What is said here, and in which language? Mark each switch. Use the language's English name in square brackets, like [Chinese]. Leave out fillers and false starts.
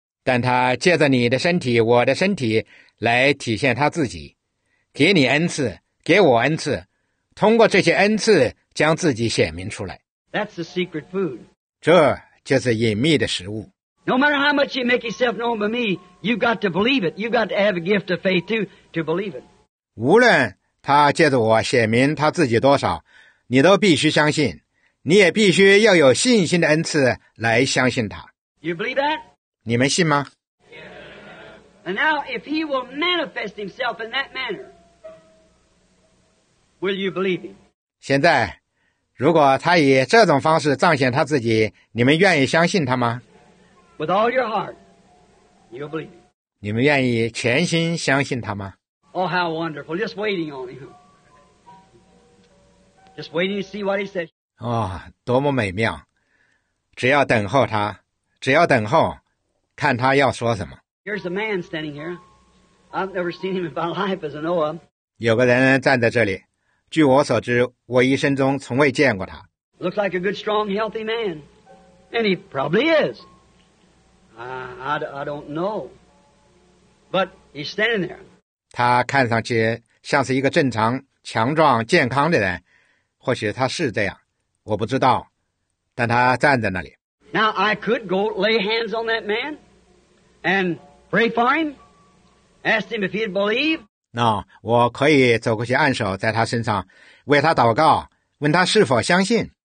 [Chinese] 但他借着你的身体，我的身体，来体现他自己。给你恩赐，给我恩赐，通过这些恩赐将自己显明出来。 [English] That's the secret food. [Chinese] 这就是隐秘的食物。 [English] No matter how much you make yourself known by me, you've got to believe it. You've got to have a gift of faith too, to believe it. [Chinese] 无论他借着我显明他自己多少，你都必须相信，你也必须要有信心的恩赐来相信他。 [English] You believe that? [Chinese] 你们信吗？ [English] And now, if he will manifest himself in that manner, will you believe him? [Chinese] 现在，如果他以这种方式彰显他自己，你们愿意相信他吗？ [English] With all your heart, you'll believe him. [Chinese] 你们愿意全心相信他吗？ [English] Oh, how wonderful! Just waiting on him. Just waiting to see what he says. [Chinese] 哦，多么美妙！只要等候他，只要等候，看他要说什么。 [English] Here's a man standing here. I've never seen him in my life as I know him. [Chinese] 有个人站在这里，据我所知，我一生中从未见过他。 [English] Looks like a good, strong, healthy man, and he probably is. I don't know, but he's standing there. [Chinese] 他看上去像是一个正常、强壮、健康的人，或许他是这样，我不知道，但他站在那里。 [English] Now I could go lay hands on that man. And pray for him. Ask him if he'd believe. [Chinese] No, 我可以走过去按手在他身上，为他祷告，问他是否相信。